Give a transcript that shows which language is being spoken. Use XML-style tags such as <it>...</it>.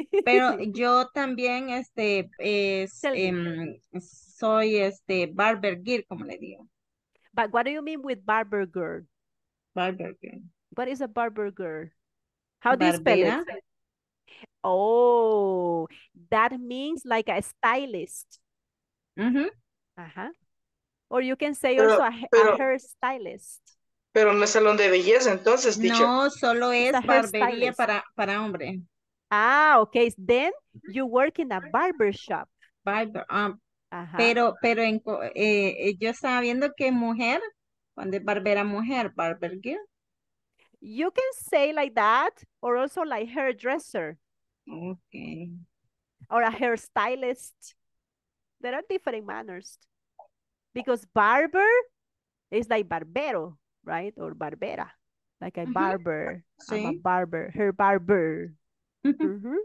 <es>Pero yo también soy barber gear, como le digo.</es> <en>But what do you mean with barber girl? Barber girl. What is a barber girl? How do you spell it? Oh, that means like a stylist. Mm-hmm. Uh-huh. Or you can say a hair stylist.</en> <es>Pero no es salón de belleza, entonces, dicho. No, solo es barbería para hombre.</es> <en>Ah, okay. Then you work in a barber shop.</en> <es>Barber, ajá. Pero yo estaba viendo que mujer, cuando es barbera mujer, barber girl.</es> <en>You can say like that, or also like hairdresser. Okay. Or a hairstylist. There are different manners. Because barber is like barbero, right? Or barbera. Like a barber. Mm-hmm. I'm a barber. Hair barber. Mm-hmm.</en>